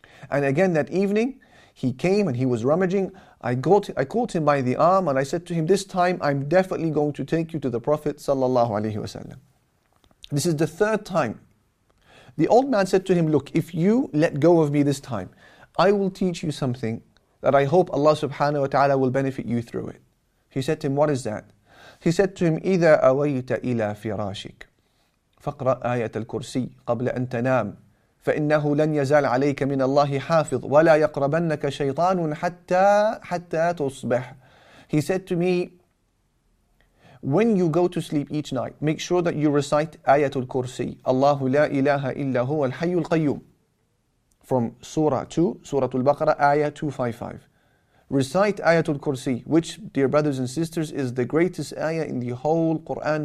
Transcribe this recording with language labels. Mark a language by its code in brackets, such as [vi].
[en] And again that evening, he came and he was rummaging. I caught him by the arm and I said to him, this time I'm definitely going to take you to the Prophet sallallahu alaihi wasallam. This is the third time. The old man said to him, look, if you let go of me this time, I will teach you something that I hope Allah subhanahu wa ta'ala will benefit you through it. He said to him, what is that? He said to him, [ar] إِذَا أَوَيْتَ إِلَىٰ فِرَاشِكَ فَقْرَأْ آيَةَ الْكُرْسِيِّ قَبْلَ أَنْ تَنَامُ فَإِنَّهُ لَنْ يَزَلْ عَلَيْكَ مِنَ اللَّهِ حَافِظُ وَلَا يَقْرَبَنَّكَ شَيْطَانٌ حَتَّى تُصْبِحُ. [en] He said to me, when you go to sleep each night, make sure that you recite Ayatul Kursi, [ar] Allahu la ilaha illa huwa al-hayyu al-qayyum, [en] from Surah 2, Surah Al-Baqarah, Ayah 255. Recite Ayatul Kursi, which, dear brothers and sisters, is the greatest ayah in the whole Quran.